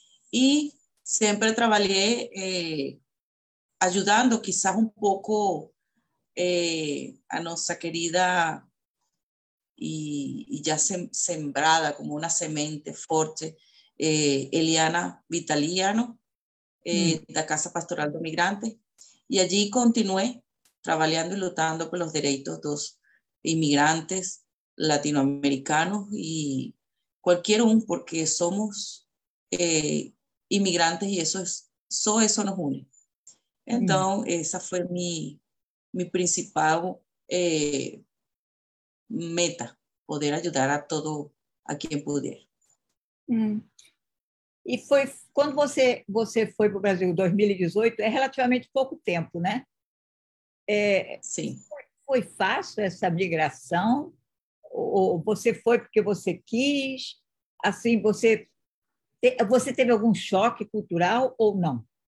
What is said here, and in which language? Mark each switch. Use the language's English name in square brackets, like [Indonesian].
[Portuguese] E sempre trabalhei ajudando quizás um pouco a nossa querida e já sembrada como uma semente forte, Eliana Vitaliano, da Casa Pastoral do Migrante. E ali continuei trabalhando e lutando pelos direitos dos imigrantes latino-americanos e [Spanish] cualquier un, porque somos inmigrantes y eso es, solo eso nos une. Entonces, esa fue mi principal meta, poder ayudar a todo a quien pudiera. [Portuguese] E foi quando você foi para o Brasil em 2018, é relativamente pouco tempo, né? Sim. Foi fácil essa migração? Ou você foi porque você quis? Assim, você teve algum choque cultural ou não?